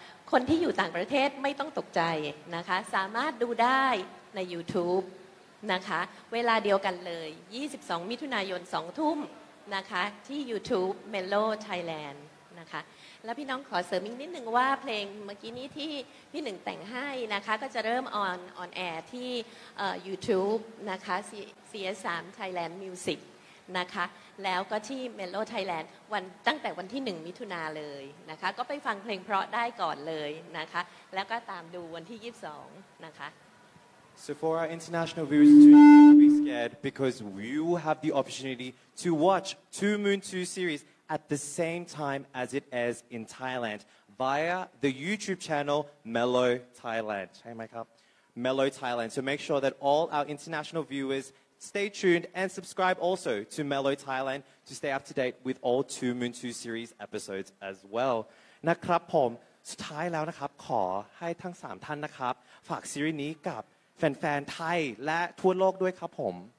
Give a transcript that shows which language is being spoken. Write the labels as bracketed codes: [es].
[th] คนที่อยู่ต่างประเทศไม่ต้องตกใจนะคะสามารถดูได้ใน YouTube นะคะเวลาเดียวกันเลย22มิถุนายน2ทุ่มนะคะที่ YouTube Mello Thailand นะคะแล้วพี่น้องขอเสริมอีกนิดนึงว่าเพลงเมื่อกี้นี้ที่พี่หนึ่งแต่งให้นะคะก็จะเริ่มออนแอร์ที่ YouTube นะคะ CS3 Thailand Music นะคะแล้วก็ที่ Mello Thailand วันตั้งแต่วันที่1มิถุนาเลยนะคะก็ไปฟังเพลงเพราะได้ก่อนเลยนะคะแล้วก็ตามดูวันที่22นะคะ [en] So for our international viewers don't be scared because we will have the opportunity to watch Two Moon Two seriesAt the same time as it airs in Thailand via the YouTube channel Mello Thailand. Hey, my cup. Mello Thailand. So make sure that all our international viewers stay tuned and subscribe also to Mello Thailand to stay up to date with all Two Moon Two series episodes as well. [th] นะครับผมสุดท้ายแล้วนะครับขอให้ทั้ง3ท่านนะครับฝากซีรีส์นี้กับแฟนๆไทยและทั่วโลกด้วยครับผม